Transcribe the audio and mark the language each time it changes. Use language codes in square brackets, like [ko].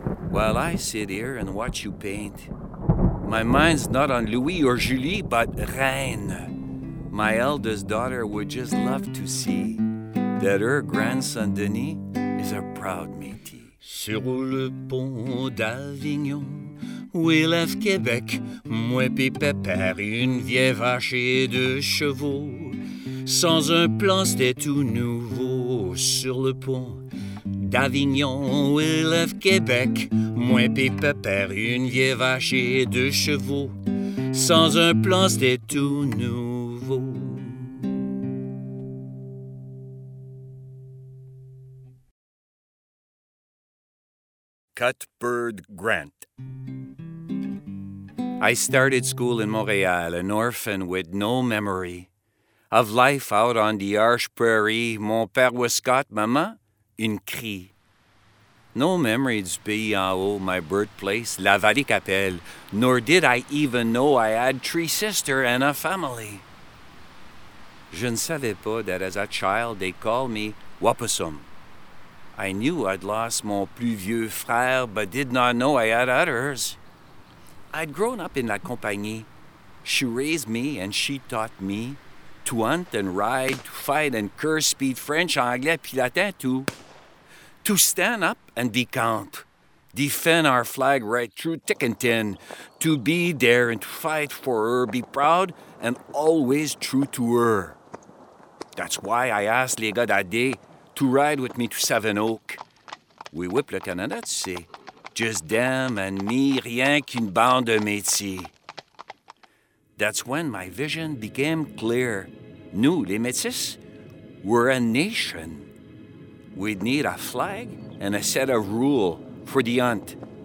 [en] While I sit here and watch you paint, my mind's not on Louis or Julie, but Reine. My eldest daughter would just love to see that her grandson Denis is a proud Métis. [fr] Sur le pont d'Avignon, [en] we left Québec, [fr] moi pis pépère, une vieille vache et deux chevaux. Sans un plan, c'était tout nouveau. Sur le pont d'Avignon, [en] we left Québec, [fr] moi pis pépère, une vieille vache et deux chevaux. Sans un plan, c'était tout nouveau. [en] Cutbird Grant. I started school in Montreal, an orphan with no memory of life out on the harsh prairie. [fr] Mon père [en] was Scott, [fr] maman, une Cree. [en] No memory [fr] du pays en haut, [en] my birthplace, La Vallée Capelle, nor did I even know I had three sisters and a family. [fr] Je ne savais pas [en] that as a child they called me Wapusum. I knew I'd lost [fr] mon plus vieux frère, [en] but did not know I had others. I'd grown up in La Compagnie. She raised me and she taught me to hunt and ride, to fight and curse, speak French, [fr] anglais, puis latin, [en] too. To stand up and be count, defend our flag right through thick and thin, to be there and to fight for her, be proud and always true to her. That's why I asked [fr] les gars d'Adé [en] to ride with me to Seven Oak. We whip le Canada, [fr] tu sais. [en] Just them and me, [fr] rien qu'une bande de métis. [en] That's when my vision became clear. [fr] Nous, les métis, [en] we're a nation. We'd need a flag and a set of rules for the hunt.